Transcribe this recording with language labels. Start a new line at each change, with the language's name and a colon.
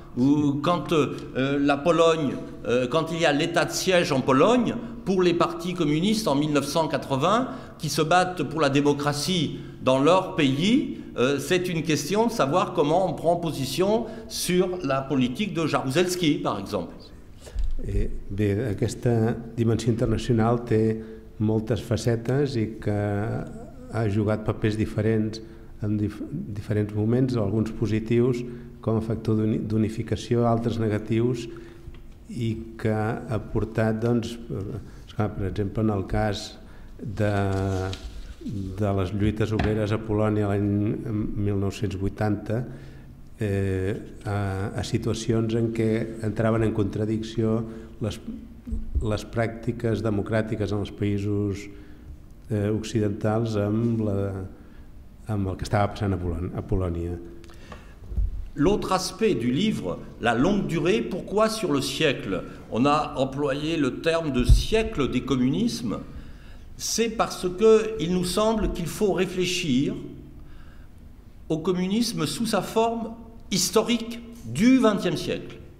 French: Ou quand la Pologne, quand il y a l'état de siège en Pologne, pour les partis communistes en 1980, qui se battent pour la démocratie dans leur pays, c'est une question de savoir comment on prend position sur la politique de Jaruzelski, par exemple.
Catalan: Et, bé, aquesta dimensió internacional té moltes facetes i que ha jugat papers diferents en diferents moments, alguns positius com a factor d'unificació, altres negatius, i que ha portat, doncs, per exemple, en el cas de les lluites obreres a Polònia l'any 1980, a situacions en què entraven en contradicció les pràctiques democràtiques en els països occidentals amb el que estava passant a Polònia.
French: L'autre aspect du livre, la longue durée, pourquoi sur le siècle? On a employé le terme de siècle des communismes. C'est parce qu'il nous semble qu'il faut réfléchir au communisme sous sa forme historique du XXe siècle.